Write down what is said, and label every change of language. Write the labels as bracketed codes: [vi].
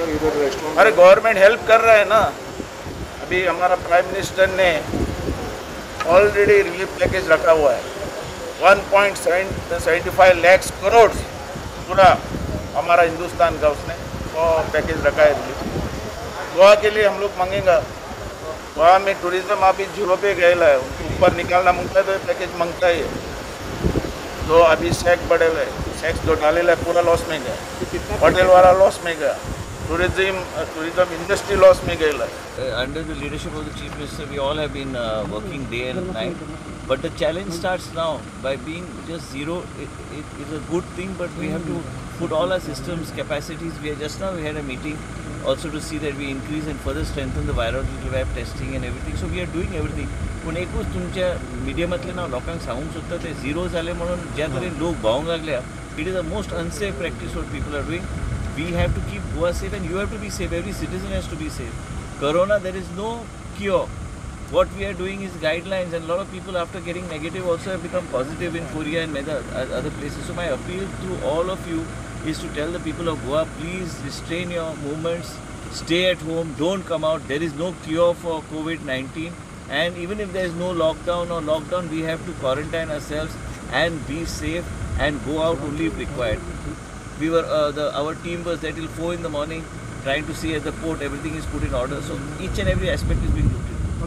[hi] अभी tourist sector लोगों के लिए कुछ अभी हमारा प्राइम मिनिस्टर ने ऑलरेडी रिलीफ पैकेज रखा हुआ है 1.75 लाख करोड़ पूरा हमारा हिंदुस्तान का उसने वो पैकेज रखा है रिलीफ गोवा के लिए हम लोग मांगेगा गोवा में टूरिज्म अभी जीरो पे गए है उनके ऊपर निकालना मांगता है तो पैकेज मांगता ही है जो अभी सेक बढ़े हुए सेक्स जो डाले हुए पूरा लॉस में गया होटल वाला लॉस में गया टूरिज्म इंडस्ट्री लॉस में गए [en] under the leadership of the chief minister we all have been working day and night but the challenge starts now by being just zero it is a good thing but we have to put all our systems capacities we are just now we had a meeting also to see that we increase and further strengthen the virological lab testing and everything so we are doing everything [kok] पण एकूच तुमच्या मिडियमातल्या ना लोकांक सांगूक सोदता ते झिरो झाले म्हणून ज्या तरेन लोक भोवंक लागल्या [en] It is a most unsafe practice what people are doing we have to keep Goa safe and you have to be safe every citizen has to be safe corona there is no cure what we are doing is guidelines and lot of people after getting negative also have become positive in Korea and other places so my appeal to all of you is to tell the people of Goa please restrain your movements stay at home don't come out there is no cure for COVID-19 And even if there is no lockdown or lockdown, we have to quarantine ourselves and be safe and go out only if required. We were, our team was there till 4 in the morning trying to see at the port, everything is put in order. So each and every aspect is being looked at.